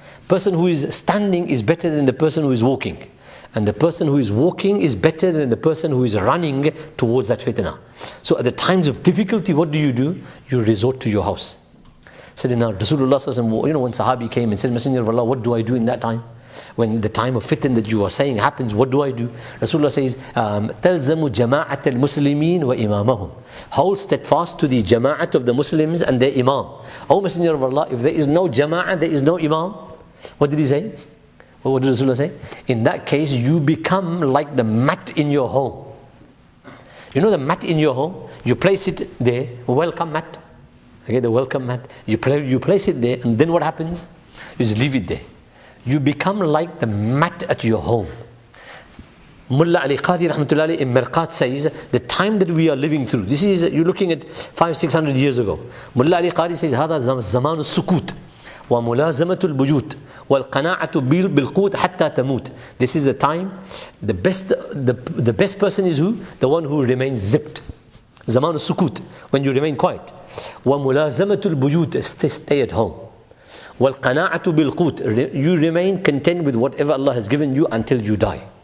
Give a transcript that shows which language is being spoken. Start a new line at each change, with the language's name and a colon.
English: Person who is standing is better than the person who is walking. And the person who is walking is better than the person who is running towards that fitna. So at the times of difficulty, what do? You resort to your house. Sayyidina Rasulullah, you know, when Sahabi came and said, Messenger of Allah, what do I do in that time? When the time of fitna that you are saying happens, what do I do?
Arabic: Rasulullah says, تَلْزَمُ جَمَاعَةَ الْمُسْلِمِينَ وَإِمَامَهُمْ.
English: Hold steadfast to the jama'at of the Muslims and their imam. Oh, Messenger of Allah, if there is no jama'at, there is no imam. What did he say? What did Rasulullah say? In that case, you become like the mat in your home. You know the mat in your home? You place it there, welcome mat. Okay, the welcome mat. You place it there, and then what happens? You just leave it there. You become like the mat at your home. Mulla Ali Qadi rahmatullahi in Mirqat says, the time that we are living through, this is, you're looking at 500-600 years ago.
Arabic: Mulla Ali Qadi says, هذا زمان السكوت وملازمة البيوت والقناعة بالقوت حتى تموت.
English: This is the time, the best person is who? The one who remains zipped. Zaman al-sukut, when you remain quiet.
Arabic: وَمُلَازَمَةُ الْبُيُوتِ,
English: stay at home.
Arabic: وَالْقَنَاعَةُ بِالْقُوتِ,
English: you remain content with whatever Allah has given you until you die.